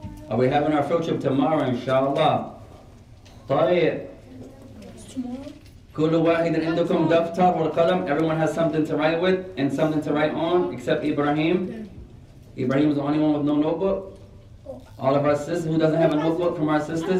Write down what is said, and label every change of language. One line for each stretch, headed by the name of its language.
English: Are we having our field trip tomorrow, inshallah?
Arabic: طيب. كل واحد عندكم دفتر والقلم.
English: Everyone has something to write with and something to write on, except Ibrahim. Okay. Ibrahim is the only one with no notebook. Oh. All of our sisters, who doesn't have a notebook from our sisters?